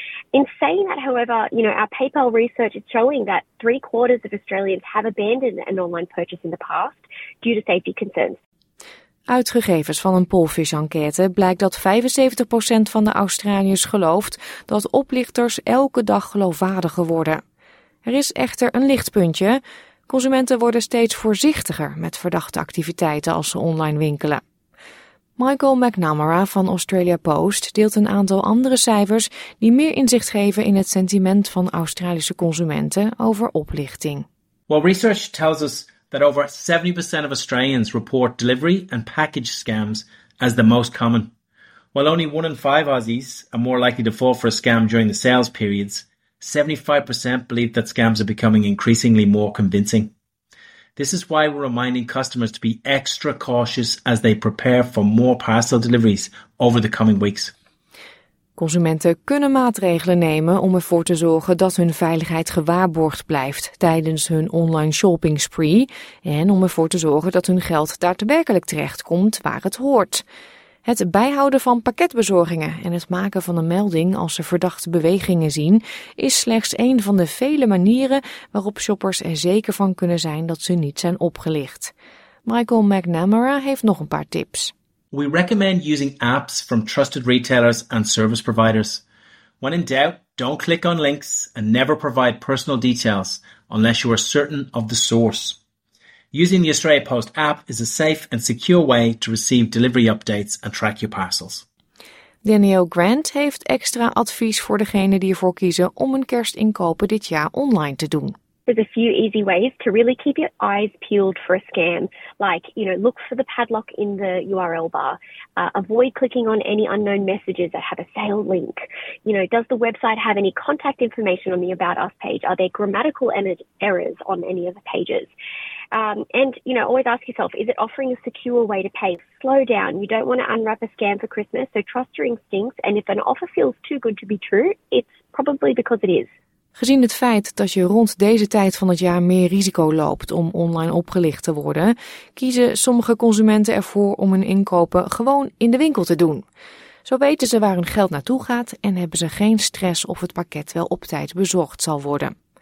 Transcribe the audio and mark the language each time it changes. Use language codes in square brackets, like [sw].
[en] In saying that, however, you know, our PayPal research is showing that 3/4 of Australians have abandoned an online purchase in the past due to safety concerns. [nl] Uit gegevens van een Polfish-enquête blijkt dat 75% van de Australiërs gelooft dat oplichters elke dag geloofwaardiger worden. Er is echter een lichtpuntje. Consumenten worden steeds voorzichtiger met verdachte activiteiten als ze online winkelen. Michael McNamara van Australia Post deelt een aantal andere cijfers die meer inzicht geven in het sentiment van Australische consumenten over oplichting. [en] Well, research tells us that over 70% of Australians report delivery and package scams as the most common. While only 1 in 5 Aussies are more likely to fall for a scam during the sales periods, 75% believe that scams are becoming increasingly more convincing. This is why we're reminding customers to be extra cautious as they prepare for more parcel deliveries over the coming weeks. [nl] Consumenten kunnen maatregelen nemen om ervoor te zorgen dat hun veiligheid gewaarborgd blijft tijdens hun [en] online shopping spree [nl] en om ervoor te zorgen dat hun geld daadwerkelijk terechtkomt waar het hoort. Het bijhouden van pakketbezorgingen en het maken van een melding als ze verdachte bewegingen zien is slechts een van de vele manieren waarop shoppers er zeker van kunnen zijn dat ze niet zijn opgelicht. Michael McNamara heeft nog een paar tips. [en] We recommend using apps from trusted retailers and service providers. When in doubt, don't click on links and never provide personal details unless you are certain of the source. Using the Australia Post app is a safe and secure way to receive delivery updates and track your parcels. [nl] Danielle Grant heeft extra advies voor degenen die ervoor kiezen om hun kerstinkopen dit jaar online te doen. [en] There's a few easy ways to really keep your eyes peeled for a scam, like, you know, look for the padlock in the URL bar, avoid clicking on any unknown messages that have a sale link. You know, does the website have any contact information on the About Us page? Are there grammatical errors on any of the pages? And, you know, always ask yourself, is it offering a secure way to pay? Slow down. You don't want to unwrap a scam for Christmas, so trust your instincts. And if an offer feels too good to be true, it's probably because it is. [nl] Gezien het feit dat je rond deze tijd van het jaar meer risico loopt om online opgelicht te worden, kiezen sommige consumenten ervoor om hun inkopen gewoon in de winkel te doen. Zo weten ze waar hun geld naartoe gaat en hebben ze geen stress of het pakket wel op tijd bezorgd zal worden.